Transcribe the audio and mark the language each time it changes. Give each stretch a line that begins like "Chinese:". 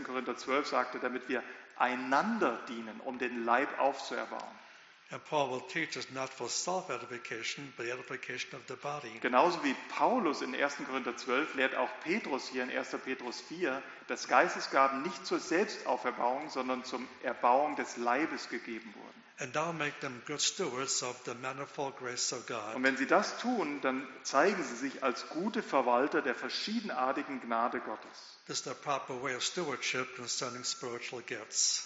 German: Korinther 12 sagte, damit wir einander dienen, um den Leib aufzuerbauen.
English: And Paul will teach us not for self-edification, but the edification of the body.
German: Genauso wie Paulus in 1. Korinther 12 lehrt auch Petrus hier in 1. Petrus 4, dass Geistesgaben nicht zur Selbstauferbauung, sondern zum Erbauung des Leibes gegeben wurden.
English: And that will make them good stewards of the manifold grace of God.
German: Und wenn sie das tun, dann zeigen sie sich als gute Verwalter der verschiedenartigen Gnade Gottes.
English: This is the proper way of stewardship concerning spiritual gifts.